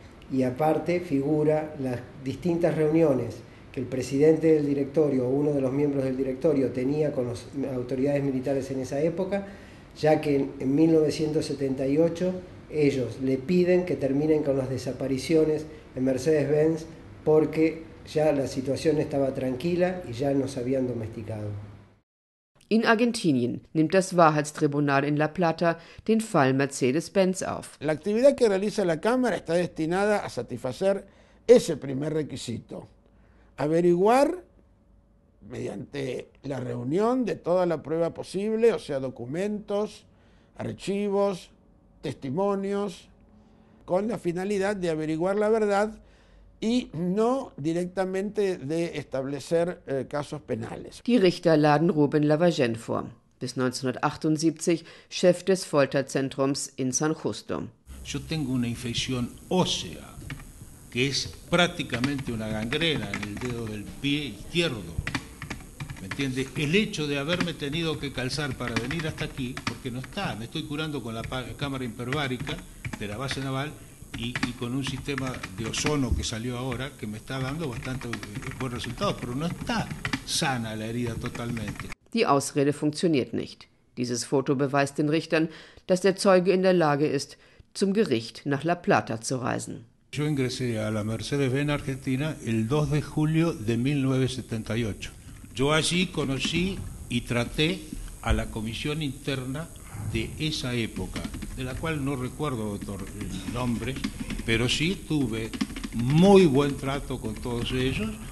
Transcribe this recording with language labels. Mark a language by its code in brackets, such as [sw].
[es] Y aparte figura las distintas reuniones que el presidente del directorio o uno de los miembros del directorio tenía con las autoridades militares en esa época, ya que en 1978 ellos le piden que terminen con las desapariciones en Mercedes-Benz porque ya la situación estaba tranquila y ya nos habían domesticado. [de] In Argentinien nimmt das Wahrheitstribunal in La Plata den Fall Mercedes-Benz auf. [es] La actividad que realiza la Cámara está destinada a satisfacer ese primer requisito, averiguar mediante la reunión de toda la prueba posible, o sea, documentos, archivos, testimonios, con la finalidad de averiguar la verdad y no directamente de establecer casos penales. [de] Die Richter laden Ruben Lavagen vor, bis 1978 Chef des Folterzentrums in San Justo. [es] Yo tengo una infección ósea, que es prácticamente una gangrena en el dedo del pie izquierdo. ¿Me entiendes? El hecho de haberme tenido que calzar para venir hasta aquí, porque no está, me estoy curando con la cámara hiperbárica de la base naval y con un sistema de ozono que salió ahora, que me está dando bastante buen resultado, pero no está sana la herida totalmente. [de] Die Ausrede funktioniert nicht. Dieses Foto beweist den Richtern, dass der Zeuge in der Lage ist, zum Gericht nach La Plata zu reisen. [es] Yo ingresé a la Mercedes-Benz Argentina el 2 de julio de 1978. Yo allí conocí y traté a la comisión interna de esa época, de la cual no recuerdo, doctor, el nombre, pero sí tuve muy buen trato con todos ellos.